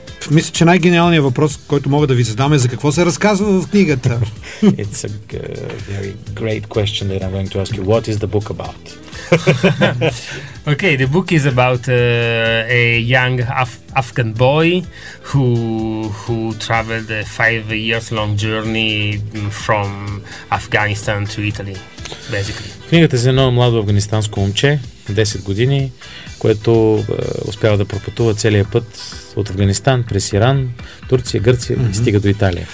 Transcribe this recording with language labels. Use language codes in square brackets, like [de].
[bg] Мисля, че най-гениалният въпрос, който мога да ви задам, е за какво се разказва в книгата. [en] It's a very great question that I'm going to ask you. What is the book about? Okay, the book is about a young Afghan boy who traveled a 5 years long journey from Afghanistan to Italy, basically. [bg] Книгата е за едно младо афганистанско момче, 10 години, което успява да пропътува целия път от Афганистан през Иран, Турция, Гърция, mm-hmm, и стига до Италия.